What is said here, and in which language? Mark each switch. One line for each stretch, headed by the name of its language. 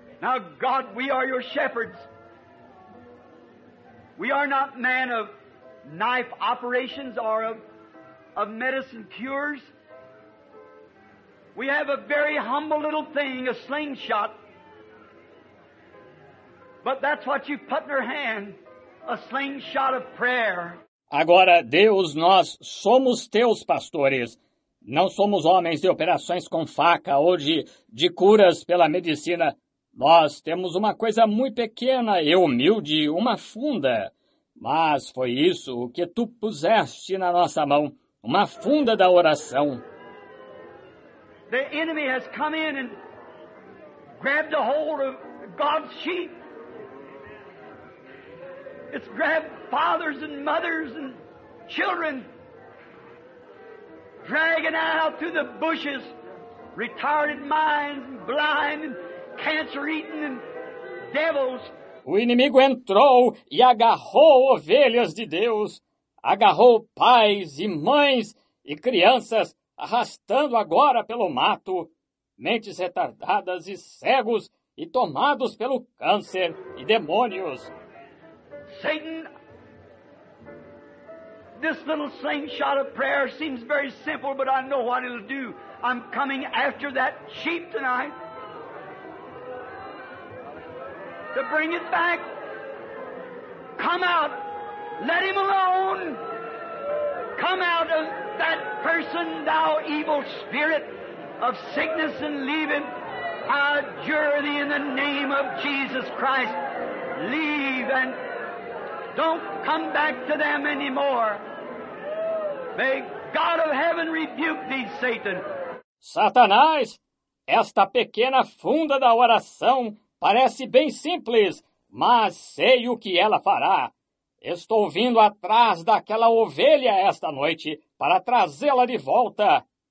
English: Now, God, we are your shepherds. We are not men of knife operations or of medicine cures. We have a very humble little thing, a slingshot. But that's what you put in her hand, a slingshot of prayer.
Portuguese: Agora, Deus, nós somos teus pastores. Não somos homens de operações com faca ou de curas pela medicina. Nós temos uma coisa muito pequena e humilde, uma funda. Mas foi isso que tu puseste na nossa mão, uma funda da oração.
English: The enemy has come in and grabbed a hold of God's sheep. It's grabbed fathers and mothers and children, dragging out to the bushes, retarded minds, blind and cancer-eaten and devils.
Portuguese: O inimigo entrou e agarrou ovelhas de Deus, agarrou pais e mães e crianças, arrastando agora pelo mato, mentes retardadas e cegos e tomados pelo câncer e demônios.
English: Satan, this little slingshot of prayer seems very simple, but I know what it'll do. I'm coming after that sheep tonight to bring it back. Come out, let him alone. Come out of that person, thou evil spirit of sickness, and leave him. I adjure thee in the name of Jesus Christ. Leave and don't come back to them anymore. May God of heaven rebuke thee, Satan.
Portuguese: Satanás, esta pequena funda da oração parece bem simples, mas sei o que ela fará. Estou vindo atrás daquela ovelha esta noite para trazê-la de volta.